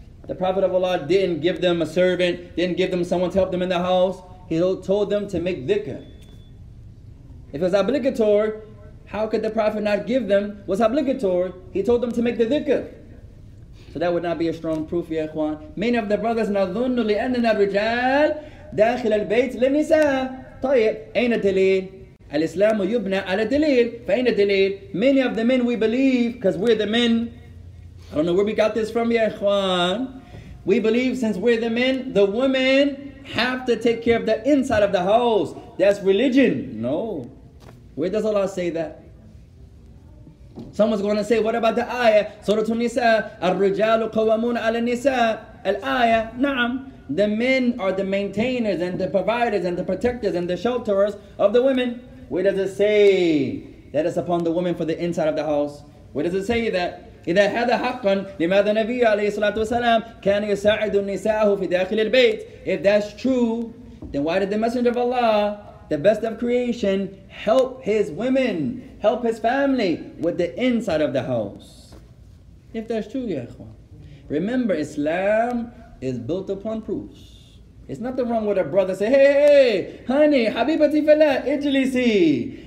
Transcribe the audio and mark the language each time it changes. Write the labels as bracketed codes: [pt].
[en] The Prophet of Allah didn't give them a servant, didn't give them someone to help them in the house. He told them to make dhikr. If it was obligatory, how could the Prophet not give them what's obligatory? He told them to make the dhikr. So that would not be a strong proof, ya ikhwan. Many of the brothers, [ar] نَظُنُّ لِأَنَّنَا الرِّجَالِ دَاخِلَ الْبَيْتِ لِلْنِسَاءِ طَيِّبْ أَيْنَ الدَّلِيلِ الإسلام يبنى على دليل فإن دليل. [en] Many of the men we believe, because we're the men, I don't know where we got this from, ya ikhwan. We believe since we're the men, the women have to take care of the inside of the house. That's religion. No. Where does Allah say that? Someone's going to say, what about the ayah? [ar] Surah An-Nisa, الرجال قوامون على النساء. الآية, نعم. [en] The men are the maintainers and the providers and the protectors and the shelterers of the women. Where does it say that it's upon the woman for the inside of the house? Where does it say that? [ar] إذا هذا حقا لماذا النبي عليه الصلاة والسلام كان يساعد النساء في داخل البيت. [en] If that's true, then why did the Messenger of Allah, the best of creation, help his women, help his family with the inside of the house? If that's true, ya ikhwan. Remember, Islam is built upon proofs. It's nothing wrong with a brother say, hey, honey, habibati fala, ijlisi.